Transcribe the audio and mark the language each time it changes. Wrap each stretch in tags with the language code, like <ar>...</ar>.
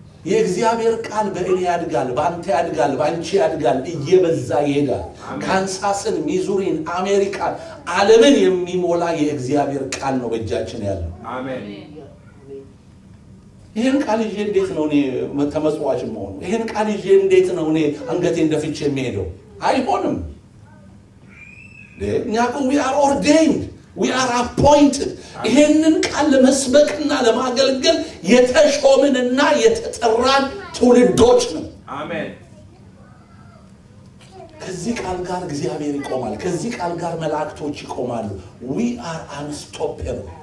<am>የእግዚአብሔር ቃል በእኔ ያድጋል፣ ባንተ ያድጋል፣ ባንቺ ያድጋል፣ እየበዛ ይሄዳል። ካንሳስን፣ ሚዙሪን፣ አሜሪካን፣ ዓለምን የሚሞላ የእግዚአብሔር ቃል ነው በእጃችን ያለው። አሜን። ይሄን ቃል ይዤ እንዴት ነው እኔ ተመጽዋች መሆነው? ይሄን ቃል ይዤ እንዴት ነው እኔ አንገቴ እንደፍቼ የሚሄደው? አይሆንም። ለኛቁ</am> <en>we are ordained, we are appointed.</en> <am>ይሄንን ቃል ለመስበክና ለማገልገል የተሾምንና የተጠራን ትውልዶች ነን። አሜን። ከዚህ ቃል ጋር እግዚአብሔር ይቆማል። ከዚህ ቃል ጋር መላእክቶች ይቆማሉ።</am> <en>We are unstoppable.</en>